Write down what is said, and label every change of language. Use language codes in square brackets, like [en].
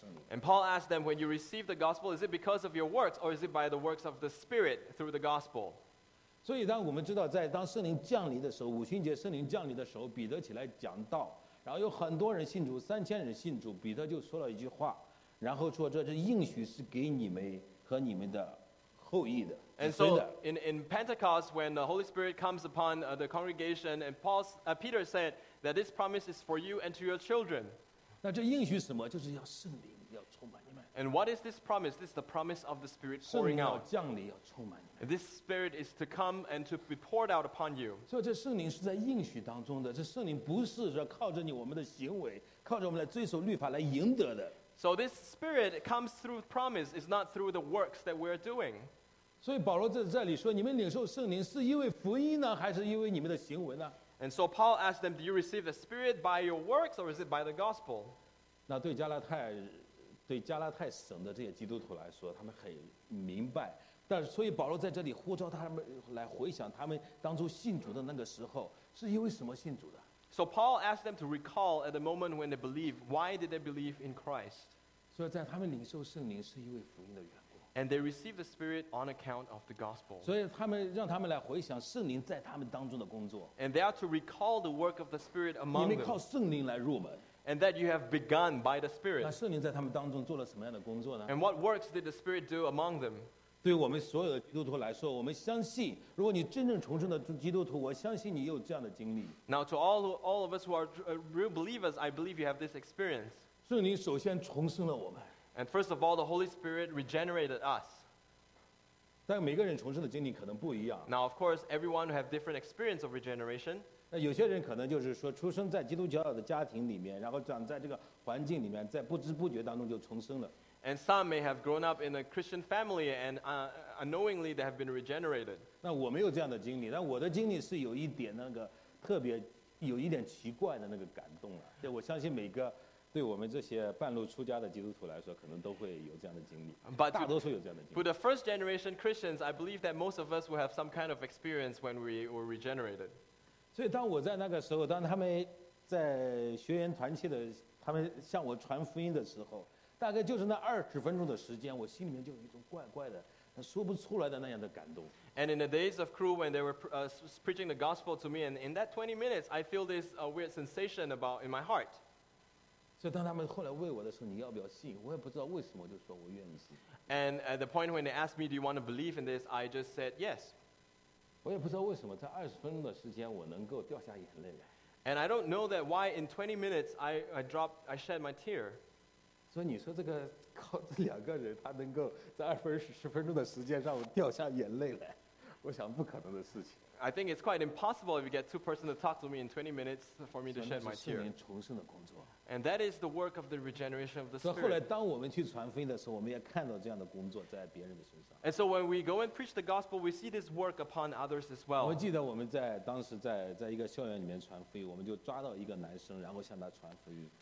[en] And Paul asked them, when you receive the gospel, is it because of your works or is it by the works of the Spirit through the gospel? [zh] 所以当我们知道在当圣灵降临的时候五旬节圣灵降临的时候彼得起来讲道然后有很多人信主三千人信主彼得就说了一句话然后说这是应许是给你们和你们的后裔的 [en] And so in Pentecost, when the Holy Spirit comes upon the congregation, and Peter said,that this promise is for you and to your children. [zh] 那这应许什么？就是要圣灵要充满你们。 [en] And what is this promise? This is the promise of the Spirit pouring out. [zh] 圣灵要降临，要充满你们。 [en] This Spirit is to come and to be poured out upon you. [zh] 所以这圣灵是在应许当中的。这圣灵不是说靠着你我们的行为，靠着我们来遵守律法来赢得的。 [en] So this Spirit comes through promise, is not through the works that we are doing. [zh] 所以保罗在这里说，你们领受圣灵是因为福音呢，还是因为你们的行为呢？ [en] And so Paul asked them, do you receive the Spirit by your works or is it by the gospel? [zh] 那对加拉太省的这些基督徒来说他们很明白但是所以保罗在这里呼召他们来回想他们当初信主的那个时候是因为什么信主的 [en] So Paul asked them to recall at the moment when they believed, why did they believe in Christ? [zh] 所以在他们领受圣灵是因为福音的缘故 [en] And they received the Spirit on account of the gospel. [zh] 所以他们让他们来回想圣灵在他们当中的工作 [en] And they are to recall the work of the Spirit among them. [zh] 你们靠圣灵来入门 [en] And that you have begun by the Spirit. [zh] 那圣灵在他们当中做了什么样的工作呢 [en] And what works did the Spirit do among them? [zh] 对我们所有的基督徒来说我们相信如果你真正重生的基督徒我相信你有这样的经历 [en] Now to all of us who are real believers, I believe you have this experience. [zh] 圣灵首先重生了我们 [en] And first of all, the Holy Spirit regenerated us. Now, of course, everyone has different experience of regeneration. [zh] 有些人可能就是说出生在基督教的家庭里面，然后长在这个环境里面，在不知不觉当中就重生了。 [en] And some may have grown up in a Christian family and unknowingly they have been regenerated. [zh] 那我没有这样的经历，但我的经历是有一点那个特别，有一点奇怪的那个感动了。就我相信每个对我们这些半路出家的基督徒来说，可能都会有这样的经历，大多数有这样的经历。 [en] For the first generation Christians, I believe that most of us will have some kind of experience when we were regenerated. [zh] 所以当我在那个时候，当他们在学员团契的，他们向我传福音的时候，大概就是那二十分钟的时间，我心里面就有一种怪怪的、说不出来的那样的感动。 [en] And in the days of crew when they were preaching the gospel to me, and in that 20 minutes, I feel this weird sensation about in my heart. [zh] 所以当他们后来问我的时候，你要不要信？我也不知道为什么，就说我愿意信。 [en] And at the point when they asked me, "Do you want to believe in this?" I just said yes. [zh] 我也不知道为什么在二十分钟的时间我能够掉下眼泪来。 [en] And I don't know that why in 20 minutes I shed my tear. [zh] 所以你说这个靠这两个人他能够在二分十分钟的时间让我掉下眼泪来，我想不可能的事情。 [en] I think it's quite impossible if you get two persons to talk to me in 20 minutes for me to shed my tear. [zh] 那是圣灵重生的工作。 [en] And that is the work of the regeneration of the Spirit. [zh] 所以后来当我们去传福音的时候，我们也看到这样的工作在别人的身上。 [en] And so when we go and preach the gospel, we see this work upon others as well. [zh] 我记得我们在当时在一个校园里面传福音，我们就抓到一个男生，然后向他传福音。